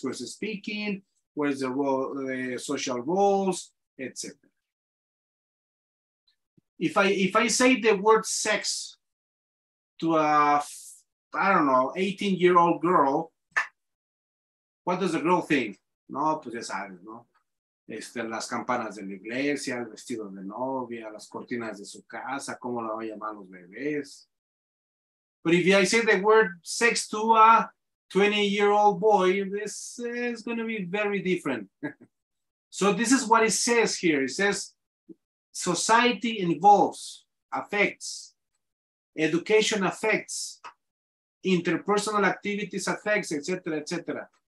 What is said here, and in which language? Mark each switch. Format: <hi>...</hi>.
<en>Where's the speaking, where's the role, the social roles, etc. If I say the word sex to a 18-year-old girl, what does the girl think?</en> <es>No, pues ya sabes, ¿no? Las campanas de la iglesia, el vestido de novia, las cortinas de su casa, ¿cómo la va a llamar los bebés?</es> <en>But if I say the word sex to a 20-year-old boy, this is going to be very different. So this is what it says here. It says, society involves, affects, education affects, interpersonal activities affects, etc., etc.</en>